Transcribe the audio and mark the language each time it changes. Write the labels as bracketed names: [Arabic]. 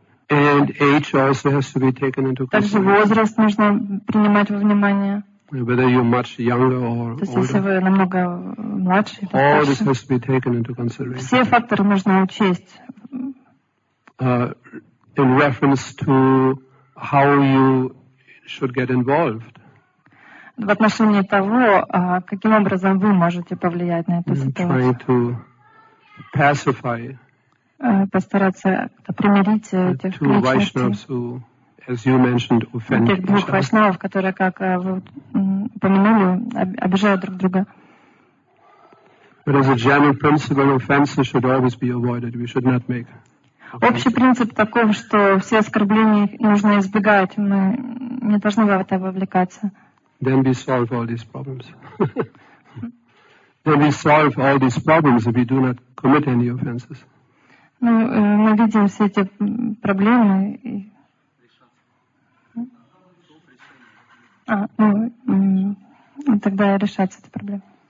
[English] And age also has to be taken into consideration. [Russian] Также возраст нужно принимать во внимание. [English] Whether you're much younger or older. All this has to be taken into consideration. [Russian] Все факторы нужно учесть. [English] In reference to how you should get involved. [Russian] В отношении того, каким образом вы можете повлиять на эту ситуацию. [English] Trying to pacify. [Russian] Постараться примирить этих личностей. [English] As you mentioned, offend [Russian] Тех двух вайшнавов, которые, как вы упомянули, обижают друг друга. [English] But as a general principle, offenses should always be avoided. We should not make offenses. [Russian] Общий принцип таков, что все оскорбления нужно избегать. Мы не должны в это вовлекаться. [English] Then we solve all these problems. Then we solve all these problems if we do not commit any offenses. [Russian] Ну, мы видим все эти проблемы и тогда решается эта проблема.